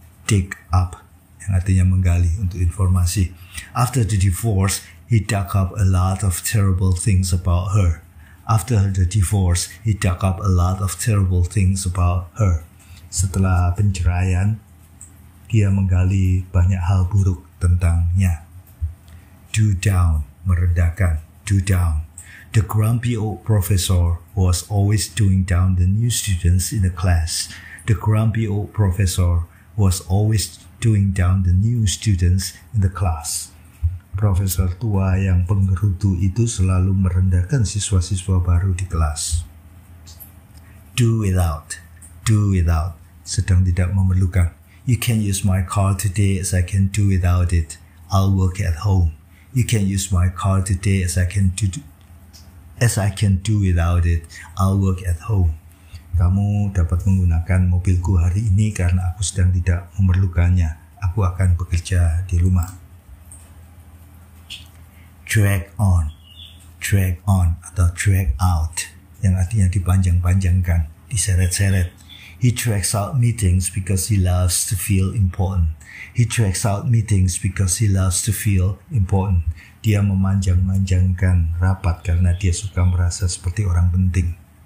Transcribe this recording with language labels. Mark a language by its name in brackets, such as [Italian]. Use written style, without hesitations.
[Indonesian] Dig up, yang artinya menggali untuk informasi. [English] After the divorce, he dug up a lot of terrible things about her. After the divorce, he dug up a lot of terrible things about her. [Indonesian] Setelah penceraian, dia menggali banyak hal buruk tentangnya. [English] Do down, merendahkan. Do down. The grumpy old professor was always doing down the new students in the class. The grumpy old professor was always doing down the new students in the class. [Indonesian] Profesor tua yang penggerutu itu selalu merendahkan siswa-siswa baru di kelas. Do without. Sedang tidak memerlukan. [English] You can use my car today as I can do without it. I'll work at home. You can use my car today as I can do without it. I'll work at home. [Indonesian] Kamu dapat menggunakan mobilku hari ini karena aku sedang tidak memerlukannya. Aku akan bekerja di rumah. Drag on atau drag out, yang artinya dipanjang-panjangkan, diseret-seret. [English] He drags out meetings because he loves to feel important. He drags out meetings because he loves to feel important. [Indonesian] Dia memanjang-manjangkan rapat karena dia suka merasa seperti orang penting.